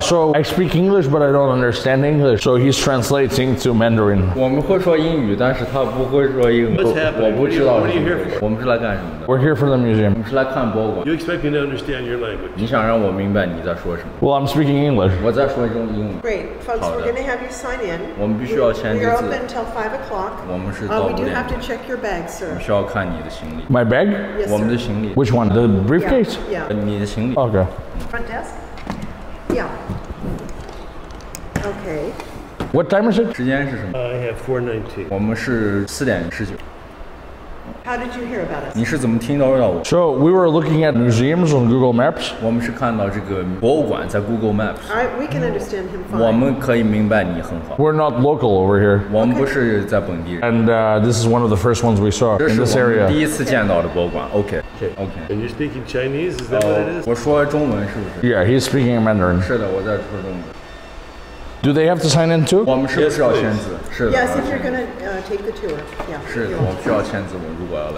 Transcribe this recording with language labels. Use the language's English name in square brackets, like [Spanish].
[English] So I speak English, but I don't understand English. So he's translating to Mandarin. [Chinese] 我们会说英语，但是他不会说英语。 [English] What's happening? [Chinese] 我不知道。 [English] What are you here for? [Chinese] 我们是来干什么的？ [English] We're here for the museum. [Chinese] 我们是来看博物馆。 [English] You expect me to understand your language? [Chinese] 你想让我明白你在说什么？ [English] Well, I'm speaking English. [Chinese] 我在说中英语。 [English] Great, folks. We're going to have you sign in. [Chinese] 我们必须要签字。 [English] We're open until 5 o'clock. [Chinese] 我们是到五点。 [English] We do have to check your bag, sir. [Chinese] 我们需要看你的行李。 [English] My bag? Yes, sir. [Chinese] 我们的行李。 [English] Which one? The briefcase? Yeah. [Chinese] 你的行李。 [English] Okay. Front desk? Yeah. Okay. What time is it? I have 4:19. [Chinese] 我们是四点十九。 [English] How did you hear about us? [Chinese] 你是怎么听到的？ [English] So we were looking at museums on Google Maps. [Chinese] 我们是看到这个博物馆在 Google Maps. [English] All right, we can understand him fine. [Chinese] 我们可以明白你很好。 [English] We're not local over here. [Chinese] 我们不是在本地人。 [English] And this is one of the first ones we saw in this area. [Chinese] 这是我们第一次见到的博物馆。 [English] Okay. Okay. And you're speaking Chinese? Is that what it is? [Chinese] 我说中文是不是？ [English] Yeah, he's speaking Mandarin. [Chinese] 是的，我在说中文。 [English] Do they have to sign in too? [Chinese] 我们是不是要签字？是的。 [English] Yes, if you're gonna take the tour. Yeah. [Chinese] 是的，我们需要签字。我如果要来。